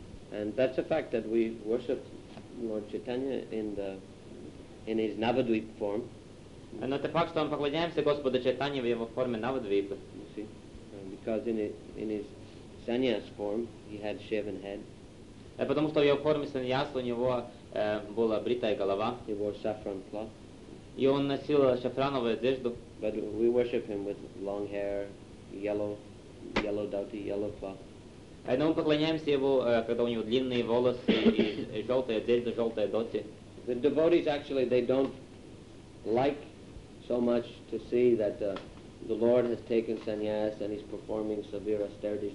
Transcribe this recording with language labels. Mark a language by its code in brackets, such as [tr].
[en] And that's a fact that we worship Lord Chaitanya in his Navadvip form. [ru] Но это факт, что мы поклоняемся Господу Чайтанье в его форме Навадвипы. [en] You see, because in his sannyas form, he had shaven head. [ru] Потому что в его форме саньяс у него была бритая голова. [en] He wore saffron cloth. [ru] И он носил шафрановую одежду. [en] But we worship him with long hair, yellow dhoti, yellow cloth. [ru] Но мы поклоняемся ему, когда у него длинные волосы и желтая одежда, желтая дхоти. [en] The devotees actually they don't like so much to see that the Lord has taken sannyas and he's performing severe austerities.